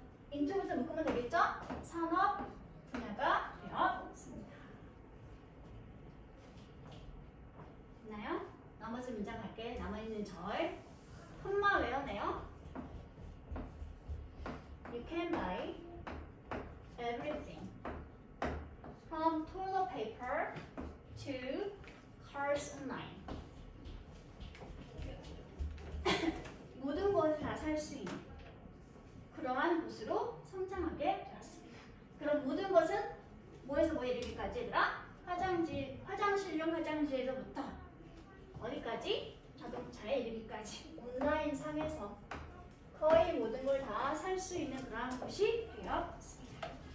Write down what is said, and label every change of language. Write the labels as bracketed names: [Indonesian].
[Korean] 인터뷰에서 묶으면 되겠죠? 산업 분야가 되었습니다. 됐나요? 나머지 문장 갈게. 남아있는 절 품마 외워내요. [English] You can buy everything from toilet paper to cars online. [Korean] 모든 것을 다 살 수 있는 그러한 곳으로 성장하게 되었습니다. 그럼 모든 것은 뭐에서 뭐에 이르기까지 얘들아? 화장실, 화장실용 화장지에서부터 어디까지? 자동차에 이르기까지 온라인 상에서 거의 모든 걸 다 살 수 있는 그러한 곳이 되었습니다.